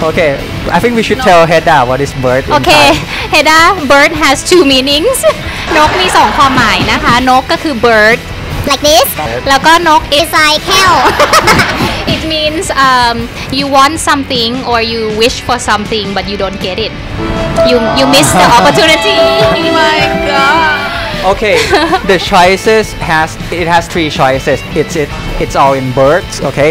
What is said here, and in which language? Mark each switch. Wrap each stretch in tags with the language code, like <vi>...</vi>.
<en>Okay, I think we should tell Heda what is bird in okay. Thai. Okay, Heda, bird has two meanings.</en> <th>นกมีสองความหมายนะคะนกก็คือ bird</th> <en>like this</en> <th>แล้วก็นก</th> <en>is like hell it means you want something or you wish for something but you don't get it you miss the opportunity oh my god okay the choices has three choices it's all in birds okay</en>